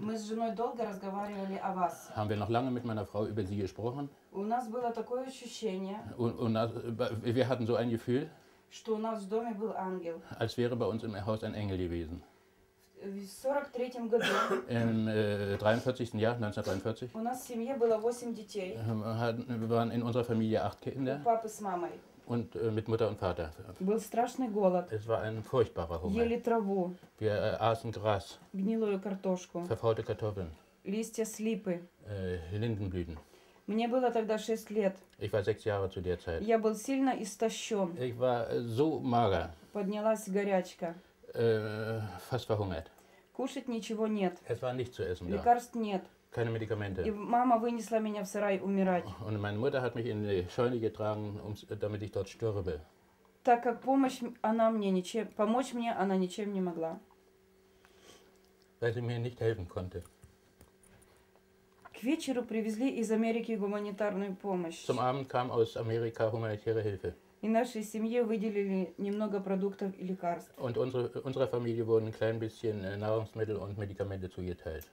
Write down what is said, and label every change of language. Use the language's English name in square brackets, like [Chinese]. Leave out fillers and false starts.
[Russian] мы с женой долго разговаривали о вас. [German] Haben wir noch lange mit meiner Frau über Sie gesprochen. [Russian] У нас было такое ощущение, [German] wir hatten so ein Gefühl, [Russian] что у нас в доме был ангел. [German] Als wäre bei uns im Haus ein Engel gewesen. [Russian] В 43-м году. [German] Im 43. Jahr, 1943. [Russian] У нас в семье было 8 детей. [German] Waren in unserer Familie 8 Kinder. [Russian] У папы с мамой. [German] Und mit Mutter und Vater. [Russian] Был страшный голод. [German] Es war ein furchtbarer Hunger. [Russian] Ели траву. [German] Wir aßen Gras. [Russian] Гнилую картошку. [German] Verfaulte Kartoffeln. [Russian] Листья слипы. [German] Lindenblüten. [Russian] Мне было тогда 6 лет. [German] Ich war 6 Jahre zu der Zeit. [Russian] Я был сильно истощен. [German] Ich war so mager. [Russian] Поднялась горячка. [German] Fast verhungert. [Russian] Кушать ничего нет. [German] Es war nicht zu essen. [Russian] Лекарств [German] da. [Russian] Нет. [German] Keine Medikamente. [Russian] И мама вынесла меня в сарай умирать. [German] Und meine Mutter hat mich in die Scheune getragen, damit ich dort stürbe. [Russian] Так как помочь мне она ничем не могла. [German] Weil sie mir nicht helfen konnte. [Russian] К вечеру привезли из Америки гуманитарную помощь. [German] Zum Abend kam aus Amerika humanitäre Hilfe. [Russian] И нашей семье выделили немного продуктов и лекарств. [German] Und unserer Familie wurden ein klein bisschen Nahrungsmittel und Medikamente zugeteilt.